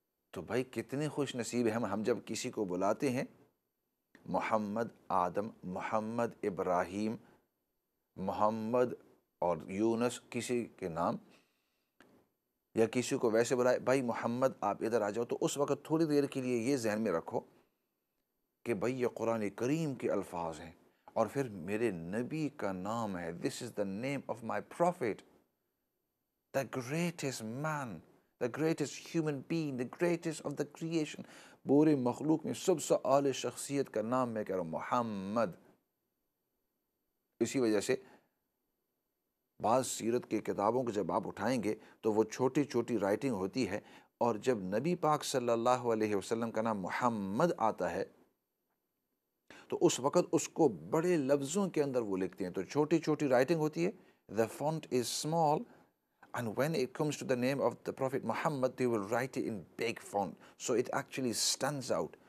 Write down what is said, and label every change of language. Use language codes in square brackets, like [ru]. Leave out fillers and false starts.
[ur] تو بھائی کتنے خوش نصیب ہیں ہم جب کسی کو بلاتے ہیں محمد آدم، محمد ابراہیم، محمد اور یونس کسی کے نام، یا کسی کو ویسے بلائے بھائی محمد آپ ادھر آ جاؤ، تو اس وقت تھوڑی دیر کے لیے یہ ذہن میں رکھو کہ بھائی یہ قرآن کریم کے الفاظ ہیں، اور پھر میرے نبی کا نام ہے. [en] This is the name of my prophet, the greatest man, the greatest human being, the greatest of the creation. [ur] پورے مخلوق میں سب سے اعلی شخصیت کا نام میں کہہ رہا ہوں محمد. اسی وجہ سے بعض سیرت کی کتابوں کو جب آپ اٹھائیں گے تو وہ چھوٹی چھوٹی رائٹنگ ہوتی ہے، اور جب نبی پاک صلی اللہ علیہ وسلم کا نام محمد آتا ہے تو اس وقت اس کو بڑے لفظوں کے اندر وہ لکھتے ہیں، تو چھوٹی چھوٹی رائٹنگ ہوتی ہے، [en] the font is small, and when it comes to the name of the prophet Muhammad they will write it in big font, so it actually stands out.